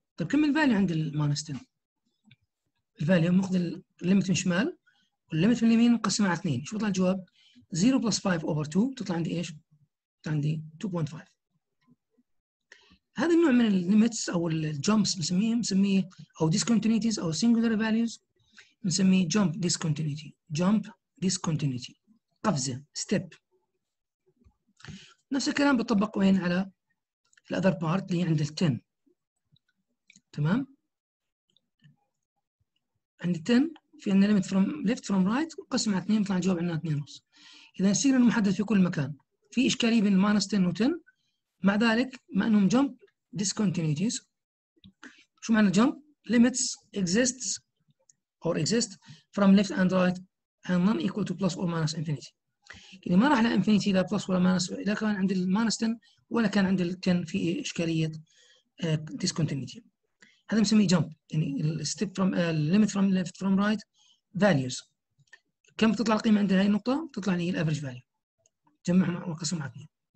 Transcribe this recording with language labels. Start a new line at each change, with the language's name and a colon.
Arabic: طيب كم الفاليو عند الماينس 10؟ الفاليو ماخذ الليمت من الشمال والليمت من اليمين مقسمه على 2، شو بيطلع الجواب؟ 0 بلس 5 اوفر 2، بتطلع عندي ايش؟ بتطلع عندي 2.5. هذا النوع من الليمتس او الجمبس بنسميه او discontinuities او singular values بنسميه jump discontinuity.
English: jump discontinuity قفزه step.
Arabic: نفس الكلام بيطبق وين؟ على الاذر بارت اللي عند ال 10. تمام، عند ال 10 في عندنا
English: limit from left from right
Arabic: وقسم على 2 بيطلع الجواب عندنا 2.5. اذا السيجنال محدد في كل مكان، في اشكاليه بين minus 10 و 10 مع ذلك مع انهم جمب discontinuities. شو معنى جمب؟
English: limits exists or exist from left and right and non equal to plus or minus infinity.
Arabic: يعني ما راح لانفينيتي لا بلس ولا ماينس اذا كان عند الماينس 10 ولا كان عند ال 10 في اشكاليه discontinuity. هذا نسميه جمب، يعني
English: الستيب from limit from left from right values.
Arabic: كم تطلع القيمه عند هاي النقطه؟ تطلع لي الافرج فاليو، جمعهم وقسمهم على 2.